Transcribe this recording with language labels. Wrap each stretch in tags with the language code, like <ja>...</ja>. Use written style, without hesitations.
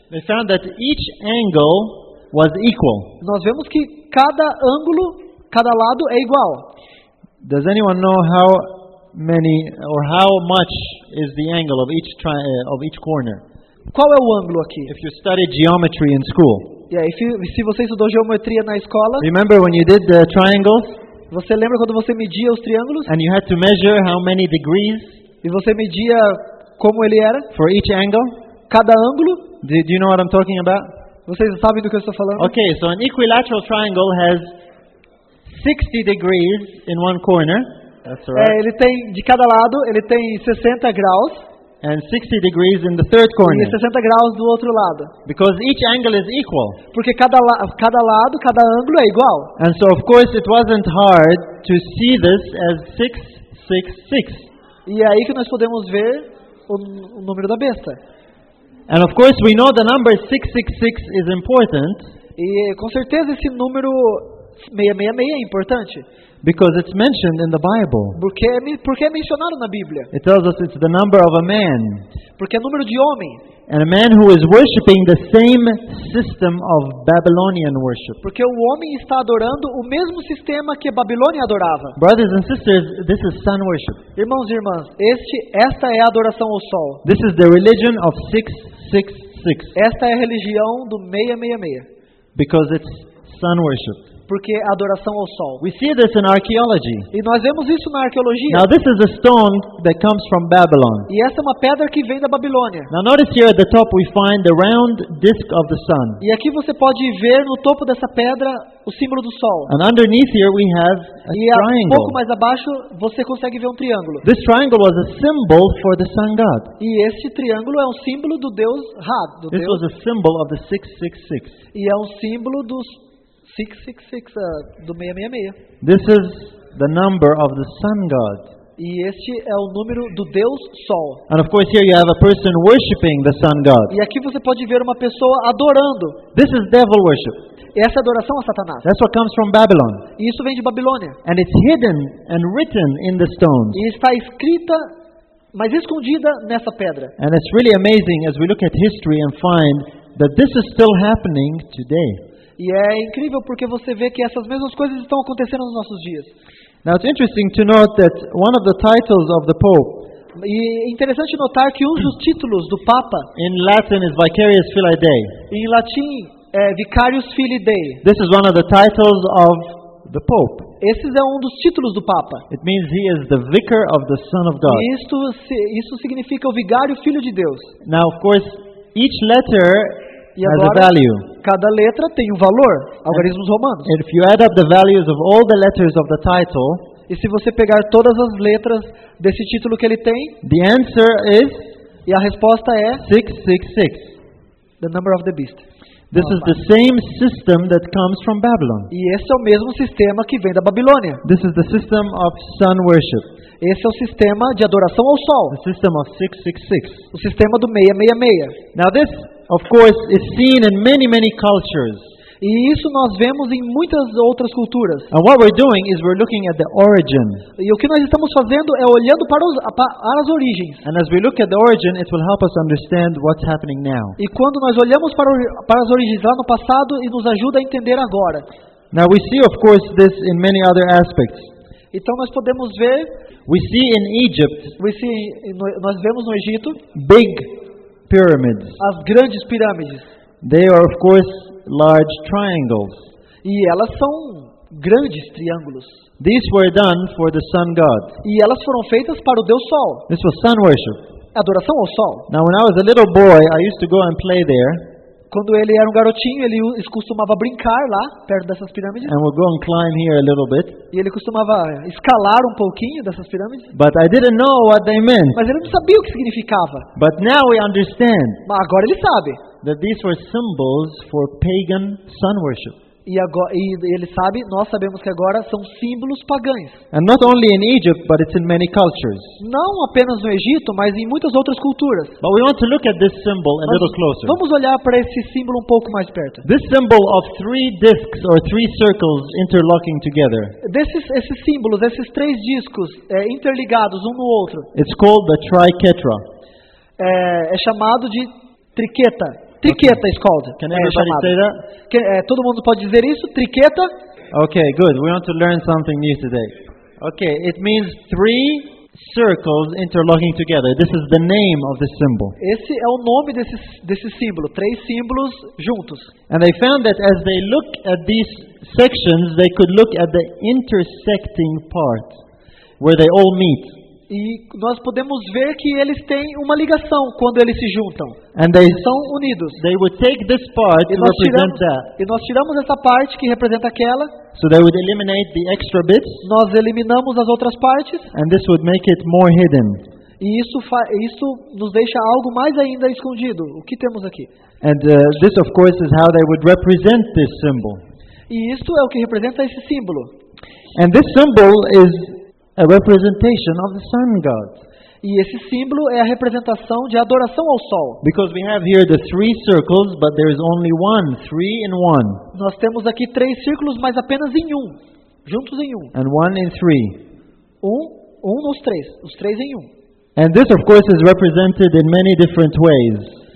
<en>They found that each angle was equal.</en> <pt>Nós vemos que cada ângulo, cada lado é igual.</pt> <en>Does anyone know how many or how much is the angle of each corner?</en> <pt>Qual é o ângulo aqui?</pt> <en>If you study geometry in school.</en> <pt>Yeah, se você estudou geometria na escola.</pt> <en>Remember when you did the triangles?</en> <pt>Você lembra quando você media os triângulos?</pt> <en>And you had to measure how many degrees?</en> <pt>E você media como ele era?</pt> <en>For each angle?</en> <pt>Cada ângulo?</pt> <en>Do you know what I'm talking about?</en> <pt>Vocês sabem do que eu estou falando?</pt> <en>Okay, so an equilateral triangle has 60 degrees in one corner. That's right.</en> <pt>É, ele tem de cada lado, ele tem 60 graus.</pt> <en>And 60 degrees in the third corner.</en> <pt>E 60 graus do outro lado.</pt> <en>Because each angle is equal.</en> <pt>Porque cada lado, cada ângulo é igual.</pt> <en>And so of course it wasn't hard to see this as 666.</en> <pt>E aí que nós podemos ver o número da besta.</pt> <en>And of course we know the number 666 is important.</en> <pt>E com certeza esse número 666 é importante.</pt> <en>Because it's mentioned in the Bible.</en> <pt>Porque é mencionado na Bíblia.</pt> <en>It tells us it's the number of a man.</en> <pt>Porque é número de homem.</pt> <en>And a man who is worshiping the same system of Babylonian worship.</en> <pt>Porque o homem está adorando o mesmo sistema que Babilônia adorava.</pt> <en>Brothers and sisters, this is sun worship.</en> <pt>Irmãos e irmãs, esta é a adoração ao sol.</pt> <en>This is the religion of 666.</en> <pt>Esta é a religião do 666.</pt> <en>Because it's sun worship.</en> <pt>Porque é adoração ao sol.</pt> <en>We see this in archaeology.</en> <pt>E nós vemos isso na arqueologia.</pt> <en>Now this is a stone that comes from Babylon.</en> <pt>E essa é uma pedra que vem da Babilônia.</pt> <en>Now notice here at the top we find the round disc of the sun.</en> <pt>E aqui você pode ver no topo dessa pedra o símbolo do sol.</pt> <en>And underneath here we have a triangle.</en> <pt>E um pouco mais abaixo você consegue ver um triângulo.</pt> <en>This triangle was a symbol for the sun god.</en> <pt>E esse triângulo é um símbolo do Deus Ra, do Deus.</pt> <en>This was a symbol of the 666.</en> <pt>E é um símbolo dos 666 do 666.</pt> <en>This is the number of the sun god.</en> <pt>E este é o número do Deus Sol.</pt> <en>And of course here you have a person worshiping the sun god.</en> <pt>E aqui você pode ver uma pessoa adorando.</pt> <en>This is devil worship.</en> <pt>Essa é a adoração a Satanás.</pt> <en>That's what comes from Babylon.</en> <pt>E isso vem de Babilônia.</pt> <en>And it's hidden and written in the stones.</en> <pt>E está escrita, mas escondida nessa pedra.</pt> <en>And it's really amazing as we look at history and find that this is still happening today.</en> <pt>E é incrível porque você vê que essas mesmas coisas estão acontecendo nos nossos dias.</pt> <en>Now it's interesting to note that one of the titles of the Pope.</en> <pt>E é interessante notar que um dos títulos do Papa.</pt> <en>In Latin is Vicarius Filii Dei.</en> <pt>Em latim é Vicarius Filii Dei.</pt> <en>This is one of the titles of the Pope.</en> <pt>Esse é um dos títulos do Papa.</pt> <en>It means he is the vicar of the Son of God.</en> <pt>E isso significa o vigário filho de Deus.</pt> <en>Now of course each letter.</en> <pt>E agora, cada letra tem um valor, algarismos romanos.</pt> <en>If you add up the values of all the letters of the title,</en> <pt>e se você pegar todas as letras desse título que ele tem,</pt> <en>the answer is,</en> <pt>e a resposta é 666.</pt> <en>The number of the beast. This is the same system that comes from Babylon.</en> <pt>E esse é o mesmo sistema que vem da Babilônia.</pt> <en>This is the system of sun worship.</en> <pt>Esse é o sistema de adoração ao sol.</pt> <en>The system of 666.</en> <pt>O sistema do 666.</pt> <en>Now this of course is seen in many many cultures.</en> <pt>E isso nós vemos em muitas outras culturas.</pt> <en>And what we're doing is we're looking at the origin.</en> <pt>E o que nós estamos fazendo é olhando para as origens.</pt> <en>And as we look at the origin, it will help us understand what's happening now.</en> <pt>E quando nós olhamos para as origens lá no passado, e nos ajuda a entender agora.</pt> <en>Now we see of course this in many other aspects.</en> <pt>Então nós podemos ver</pt> <en>We see in Egypt.</en> <pt>Nós vemos no Egito.</pt> <en>Big pyramids.</en> <pt>As grandes pirâmides.</pt> <en>They are of course large triangles.</en> <pt>E elas são grandes triângulos.</pt> <en>These were done for the sun god.</en> <pt>E elas foram feitas para o Deus Sol.</pt> <en>This was sun worship.</en> <pt>Adoração ao Sol.</pt> <en>Now, when I was a little boy, I used to go and play there.</en> <pt>Quando ele era um garotinho, ele costumava brincar lá perto dessas pirâmides.</pt> <en>And we'll go and climb here a little bit.</en> <pt>E ele costumava escalar um pouquinho dessas pirâmides.</pt> <en>But I didn't know what they meant.</en> <pt>Mas ele não sabia o que significava.</pt> <en>But now we understand.</en> <pt>Mas agora ele sabe.</pt> <en>That these were symbols for pagan sun worship.</en> <pt>E agora, e ele sabe, nós sabemos que agora são símbolos pagães.</pt> <en>And not only in Egypt, but it's in many cultures.</en> <pt>Não apenas no Egito, mas em muitas outras culturas.</pt> <en>But we want to look at this symbol a little closer.</en> <pt>Vamos olhar para esse símbolo um pouco mais perto.</pt> <en>This symbol of three discs or three circles interlocking together.</en> <pt>Esses símbolos, esses três discos interligados um no outro.</pt> <en>It's called the triquetra.</en> <pt>É chamado de triqueta. Triqueta, Skald.</pt> <en>Can everybody say that?</en> <pt>Todo mundo pode dizer isso? Triqueta?</pt> <en>Okay, good. We want to learn something new today. Okay, it means three circles interlocking together. This is the name of the symbol.</en> <pt>Esse é o nome desse símbolo. Três símbolos juntos.</pt> <en>And they found that as they look at these sections, they could look at the intersecting part where they all meet.</en> <pt>E nós podemos ver que eles têm uma ligação quando eles se juntam.</pt> <en>And they</en> <pt>são unidos.</pt> <en>They would take this part to represent that.</en> <pt>E nós tiramos essa parte que representa aquela.</pt> <en>So they would eliminate the extra bits.</en> <pt>Nós eliminamos as outras partes.</pt> <en>And this would make it more hidden.</en> <pt>E isso nos deixa algo mais ainda escondido. O que temos aqui?</pt> <en>And this of course is how they would represent this symbol.</en> <pt>E isto é o que representa esse símbolo.</pt> <en>And this symbol is a representation of the sun god.</en> <pt>E esse símbolo é a representação de adoração ao sol.</pt> <en>Because we have here the three circles, but there is only one, three in one.</en> <pt>Nós temos aqui três círculos, mas apenas em um, juntos em um.</pt> <en>And one in three.</en> <pt>Um nos três, os três em um.</pt> <en>And this, of course, is represented in many different ways.</en>